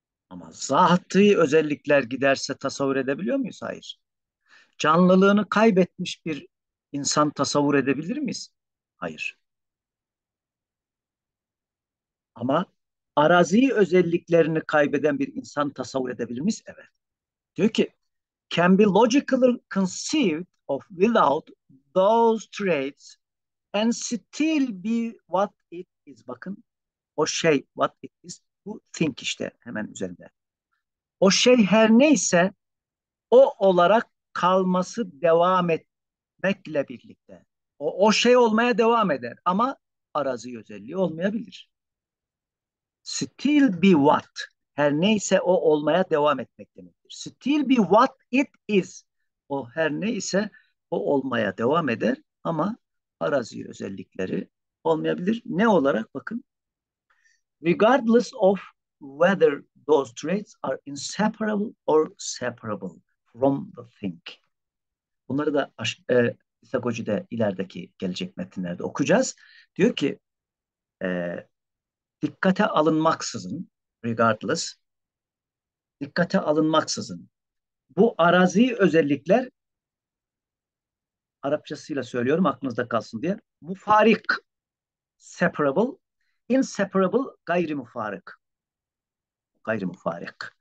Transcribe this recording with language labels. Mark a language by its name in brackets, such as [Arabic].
[Turkish] Ama zati özellikler giderse tasavvur edebiliyor muyuz? Hayır. Canlılığını kaybetmiş bir insan tasavvur edebilir miyiz? Hayır. Ama arazi özelliklerini kaybeden bir insan tasavvur edebilir miyiz? Evet. [English] Diyor ki, can be logically conceived of without those traits and still be what it is. [Turkish] Bakın, o şey what it is, bu think işte hemen üzerinde. O şey her neyse o olarak kalması devam etmekle birlikte. O şey olmaya devam eder ama arazi özelliği olmayabilir. Still be what, her neyse o olmaya devam etmek demektir. Still be what it is, o her neyse o olmaya devam eder ama arazi özellikleri olmayabilir. Ne olarak? Bakın. [English] Regardless of whether those traits are inseparable or separable from the thing. [Turkish] Bunları da İstagoji'de ilerideki gelecek metinlerde okuyacağız. Diyor ki, dikkate alınmaksızın, regardless, dikkate alınmaksızın bu arazi özellikler, Arapçasıyla söylüyorum aklınızda kalsın diye, mufarik, separable, inseparable, gayrimufarik. Gayrimufarik.